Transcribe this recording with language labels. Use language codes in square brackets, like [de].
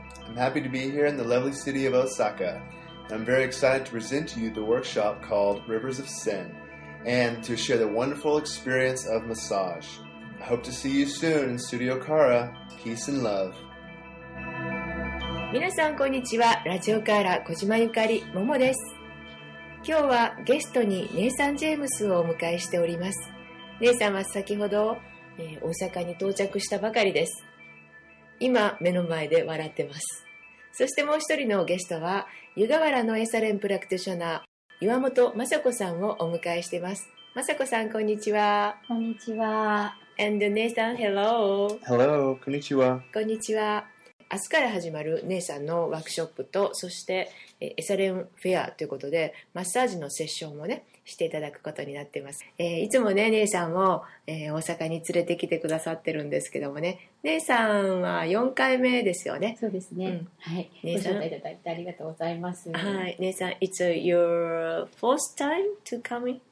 [en] I'm happy to be here in the lovely city of Osaka. I'm very excited to present to you the workshop called Rivers of Sen and to share the wonderful experience of massage. I hope to see you soon in Studio Kara. Peace and love. [ja] 皆さんこんにちは。ラジオカーラ小島ゆかりももです。今日はゲストにネイサン・ジェームスをお迎えしております。ネイサンは先ほど、大阪に到着したばかりです。今目の前で笑ってます。そしてもう一人のゲストは湯河原のエサレンプラクティショナー岩本雅子さんをお迎えしています。雅子さんこんにちは。こんにちは。 [en] And ネイサン、hello。 Hello、 [ja] こんにちは。こんにちは。明日から始まる姉さんのワークショップと、そしてエサレンフェアということでマッサージのセッションもねしていただくことになっています。いつもね姉さんを、大阪に連れてきてくださってるんですけどもね、姉さんは4回目ですよね。そうですね。うん、はい。姉さんご招待いただいてありがとうございます。はい。 [en] 姉さん、It's your first time to come here?